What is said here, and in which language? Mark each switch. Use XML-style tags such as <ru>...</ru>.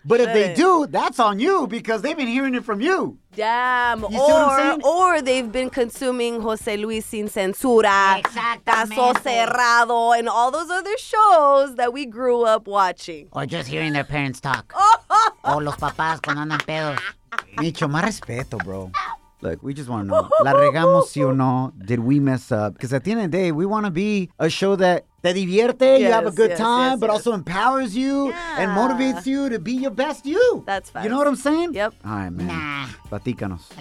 <en>But if they do, that's on you because they've been hearing it from you. Damn. You see what I'm saying? Or they've been consuming Jose Luis Sin Censura, Caso Cerrado, and all those other shows that we grew up watching. Or just hearing their parents talk.</en> <es>O los papás cuando andan pedos. Micho, más respeto, bro.</es> <en>Look, we just want to know.</en> <es>La regamos, sí o no?</es> <en>Did we mess up? Because at the end of the day, we want to be a show that</en> <es>te divierte,</es> <en>you have a good time, but also empowers you and motivates you to be your best you. That's fine. You know what I'm saying? Yep. All right, man. Nah.</en> <es>Platícanos.</es>